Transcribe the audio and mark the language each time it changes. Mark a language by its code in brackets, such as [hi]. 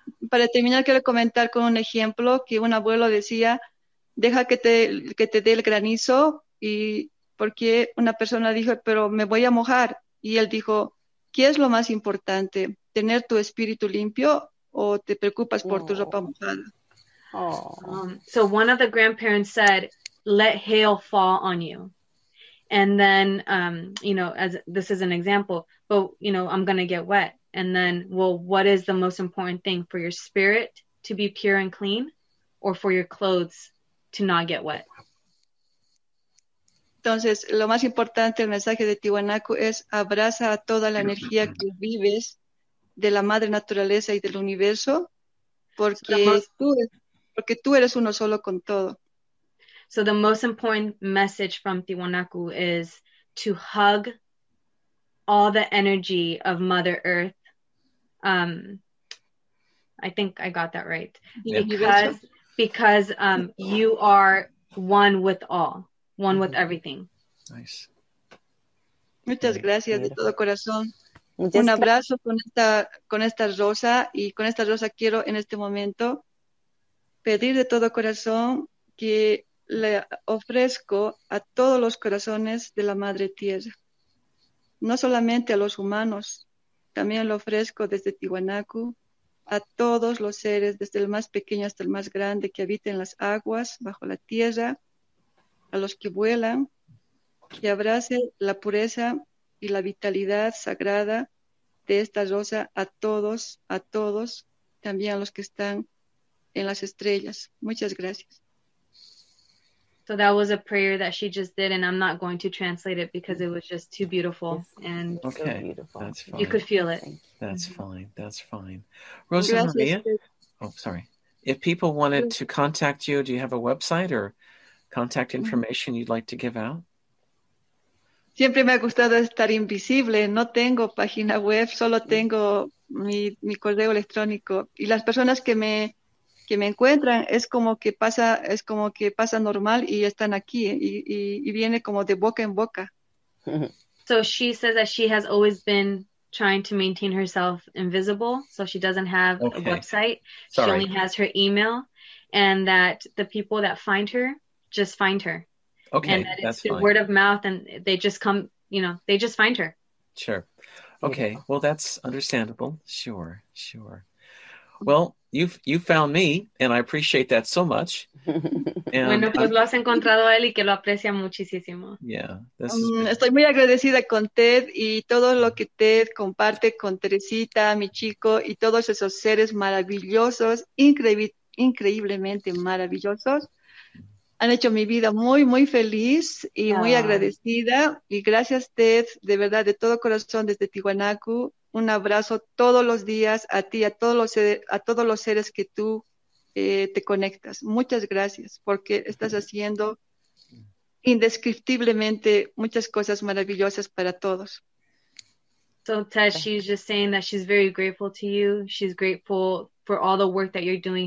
[es] Para terminar, quiero comentar con un ejemplo que un abuelo decía, deja que te dé el granizo, y porque una persona dijo, pero me voy a mojar. Y él dijo, ¿qué es lo más importante? ¿Tener tu espíritu limpio o te preocupas por tu ropa mojada? [en] So one of the grandparents said, let hail fall on you. And then, you know, as this is an example, but, you know, I'm going to get wet. And then, well, what is the most important thing for your spirit to be pure and clean or for your clothes to not get wet? [es] Entonces, lo más importante, el mensaje de Tiwanaku es abraza a toda la energía que vives de la madre naturaleza y del universo porque tú eres uno solo con todo. [en] So the most important message from Tiwanaku is to hug all the energy of Mother Earth. I think I got that right. Yeah. Because you are one with all, one with everything. Nice. [es] Muchas gracias de todo corazón. Un abrazo con esta rosa. Y con esta rosa quiero en este momento pedir de todo corazón que le ofrezco a todos los corazones de la Madre Tierra, no solamente a los humanos, también lo ofrezco desde Tiwanaku a todos los seres, desde el más pequeño hasta el más grande, que habiten las aguas bajo la tierra, a los que vuelan, que abrace la pureza y la vitalidad sagrada de esta rosa a todos, también a los que están en las estrellas. Muchas gracias. [en] So that was a prayer that she just did, and I'm not going to translate it because it was just too beautiful. And okay, so beautiful. That's fine. You could feel it. That's fine. That's fine. Rosa Gracias. Maria? Oh, sorry. If people wanted to contact you, do you have a website or contact information you'd like to give out? [es] Siempre me ha gustado estar invisible. No tengo página web, solo tengo mi correo electrónico. Y las personas que me encuentran, es como que pasa normal y están aquí y viene como de boca en boca. [en] So she says that she has always been trying to maintain herself invisible, so she doesn't have a website. Sorry. She only has her email, and that the people that find her just find her. Okay, and that that's it's word of mouth, and they just come, you know, they just find her. Sure. Okay. Well, that's understandable. Sure. Sure. Well, you found me, and I appreciate that so much. [es] And, bueno, pues lo has encontrado él y que lo aprecia muchísimo. [en] Yeah. [es] Estoy muy agradecida con Ted y todo lo que Ted comparte con Teresita, mi chico, y todos esos seres maravillosos, increíblemente maravillosos. Han hecho mi vida muy, muy feliz y muy agradecida. Y gracias, Ted, de verdad, de todo corazón, desde Tiwanaku. Un abrazo todos los días a ti, a todos los seres que tú te conectas. Muchas gracias, porque estás haciendo indescriptiblemente muchas cosas maravillosas para todos. [en] So, Ted, she's just saying that she's very grateful to you. She's grateful for all the work that you're doing.